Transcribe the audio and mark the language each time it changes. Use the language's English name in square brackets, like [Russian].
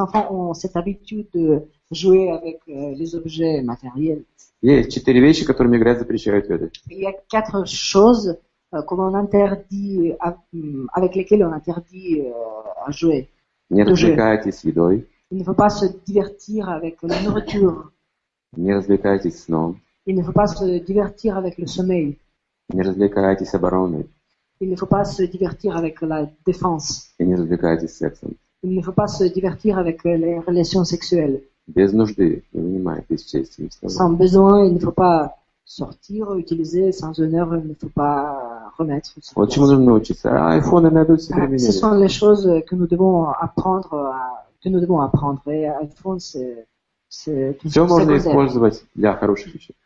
[French] enfants ont cette habitude de jouer avec les objets matériels. [Russian] Есть четыре вещи, которыми играть запрещают. [French] Il y a quatre choses qu'on interdit, avec lesquelles on interdit à jouer. [Russian] Не развлекайтесь с едой. [French] Il ne faut pas se divertir avec la nourriture. [Russian] Не развлекайтесь сном. [French] Il ne faut pas se divertir avec le sommeil. [Russian] Не развлекайтесь обороной. [French] Il ne faut pas se divertir avec la défense. Et [Russian] не развлекайтесь сексом. [French] Il ne faut pas se divertir avec les relations sexuelles. [Russian] Без нужды, не вынимай, без чести, не вставай. [French] Sans besoin, il ne faut pas sortir, utiliser, sans honneur, il ne faut pas remettre. [Russian] Вот чему нужно научиться. iPhone, надо себе применять. [French] Ce sont les choses que nous devons apprendre à que nous devons apprendre. Et à fond, c'est tout ce que [Russian] можно использовать для хороших вещей.